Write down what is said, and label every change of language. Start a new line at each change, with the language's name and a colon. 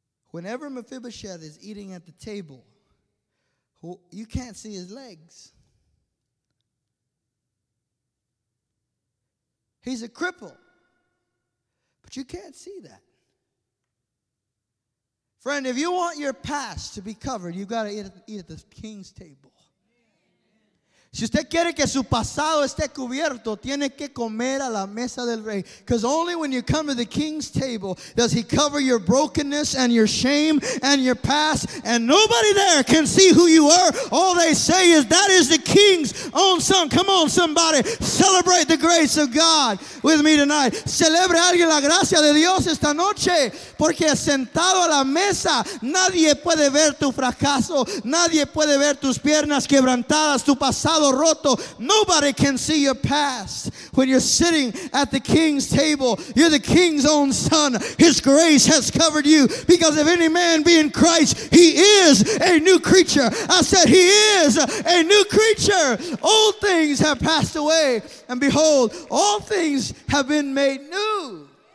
English: Whenever Mephibosheth is eating at the table, you can't see his legs. He's a cripple. But you can't see that. Friend, if you want your past to be covered, you've got to eat at the king's table.
Spanish: Si usted quiere que su pasado esté cubierto, tiene que comer a la mesa del rey.
English: Because only when you come to the king's table does he cover your brokenness and your shame and your past. And nobody there can see who you are. All they say is, that is the king's own son. Come on, somebody. Celebrate the grace of God with me tonight.
Spanish: Celebre alguien la gracia de Dios esta noche. Porque sentado a la mesa, nadie puede ver tu fracaso. Nadie puede ver tus piernas quebrantadas, tu pasado. Roto.
English: Nobody can see your past when you're sitting at the king's table. You're the king's own son. His grace has covered you, because if any man be in Christ, he is a new creature. I said he is a new creature. Old things have passed away, and behold, all things have been made new.